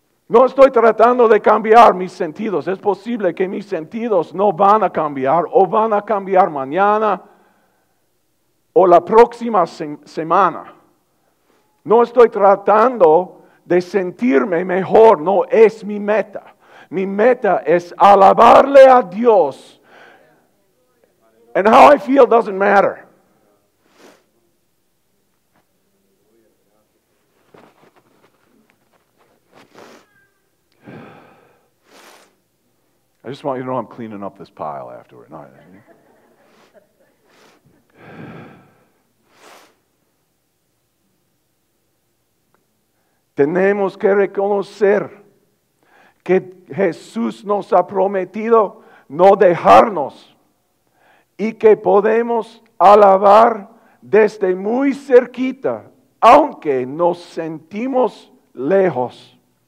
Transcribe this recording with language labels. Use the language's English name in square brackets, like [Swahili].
[Spanish] No estoy tratando de cambiar mis sentidos. Es posible que mis sentidos no van a cambiar o van a cambiar mañana, o la próxima semana. No estoy tratando de sentirme mejor, no es mi meta. Mi meta es alabarle a Dios. [English] And how I feel doesn't matter. I just want you to know I'm cleaning up this pile afterward. [Spanish] No, tenemos que reconocer que Jesús nos ha prometido no dejarnos y que podemos alabar desde muy cerquita, aunque nos sentimos lejos.